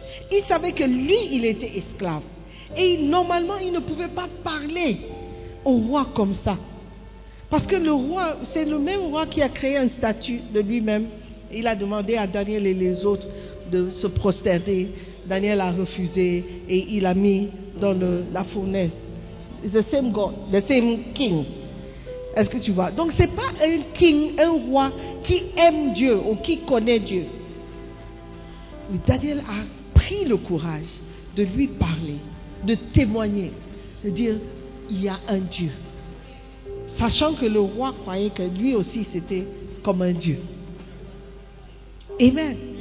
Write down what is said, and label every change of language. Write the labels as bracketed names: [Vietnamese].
[French] Il savait que lui, il était esclave. Et normalement, il ne pouvait pas parler au roi comme ça. Parce que le roi, c'est le même roi qui a créé un statut de lui-même. Il a demandé à Daniel et les autres de se prosterner. Daniel a refusé et il a mis dans la fournaise. [English] It's the same God, the same king. [French] Est-ce que tu vois? Donc, ce n'est pas un [English] king, [French] un roi qui aime Dieu ou qui connaît Dieu. Mais Daniel a pris le courage de lui parler, de témoigner, de dire, il y a un Dieu. Sachant que le roi croyait que lui aussi, c'était comme un Dieu. Amen.